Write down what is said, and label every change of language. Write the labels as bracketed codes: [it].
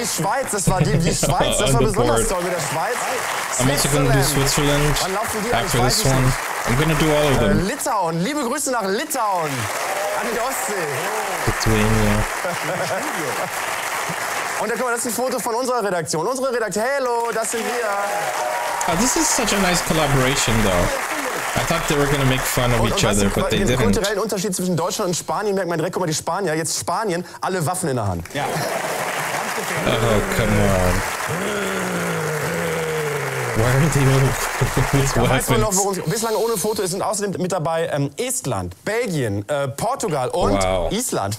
[de] Die Schweiz, das war die Schweiz, das war besonders board. Toll mit der Schweiz. [en] I'm also gonna do Switzerland after this one. I'm gonna do all of them. [de] Litauen, liebe Grüße nach Litauen an die Ostsee. [en] Lithuania. [de] Und da guck mal, das ist ein Foto von unserer Redaktion. Unsere Redaktion, hello, das sind wir. [en] Oh, this is such a nice collaboration, though. I thought they were gonna make fun of each other, but they didn't. [de] Den kulturellen Unterschied zwischen Deutschland und Spanien merkt man direkt. Guck mal, die Spanier, jetzt Spanien, alle Waffen in der Hand. Ja. [en] Oh, come on. Why aren't they doing this? [de] Da weiß man noch, wo uns bislang ohne Foto ist. Und außerdem mit dabei Estland, Belgien, Portugal und Island.